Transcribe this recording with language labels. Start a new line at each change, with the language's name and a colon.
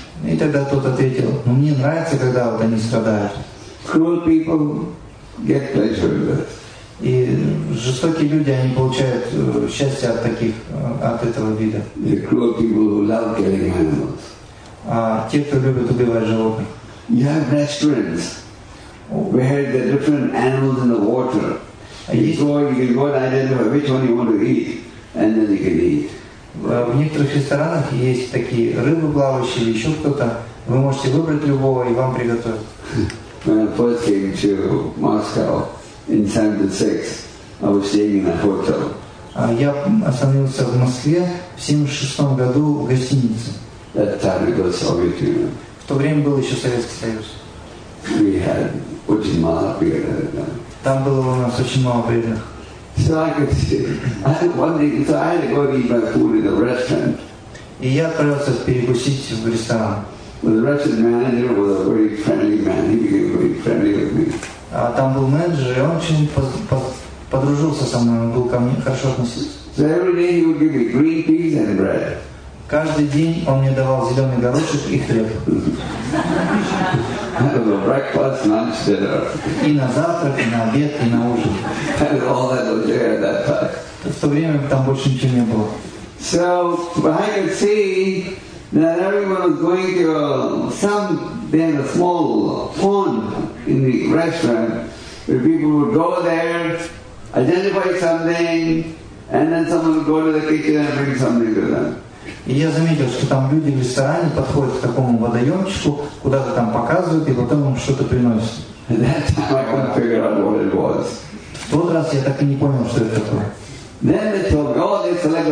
Russian: И тогда тот ответил, ну мне нравится, когда вот они страдают.
English: Cruel people get pleasure in that.
Russian: И жестокие люди, они получают счастье от таких, от этого вида.
English: The cruel people who love killing animals.
Russian: А те, кто любит убивать животных.
English: You have restaurants where the different animals in the water. You can go and identify which one you want to eat, and then you can eat.
Russian: В некоторых ресторанах есть такие рыбы плавающие или еще кто-то. Вы можете выбрать любого и вам приготовят.
English: When I first came to Moscow in 76, I was staying in a hotel.
Russian: Я остановился в Москве в 76 году в гостинице.
English: That time it was Soviet Union.
Russian: В то время был еще Советский Союз.
English: We had
Russian: очень мало преданных. Там было у нас очень мало преданных.
English: So I could sit. So I had to go eat my food in the restaurant.
Russian: И я отправился перекусить в ресторан.
English: The restaurant manager was a very friendly man. He became very friendly with me.
Russian: А там был менеджер, и он очень подружился со мной. Он был ко мне хорошо относился.
English: So every day he would give me green peas and bread.
Russian: Каждый день он мне давал зеленый горошек и хлеб. Это
English: breakfast, lunch, dinner.
Russian: И на завтрак, и на обед, и на ужин.
English: And all that was there at that time.
Russian: В то время там больше ничего не было.
English: So I could see that everyone was going to a small pond in the restaurant where people would go there, identify something, and then someone would go to the kitchen and bring something to them.
Russian: И я заметил, что там люди в ресторане подходят к такому водоемчику, куда-то там показывают, и потом им что-то приносят. В тот раз я так и не понял, что это такое.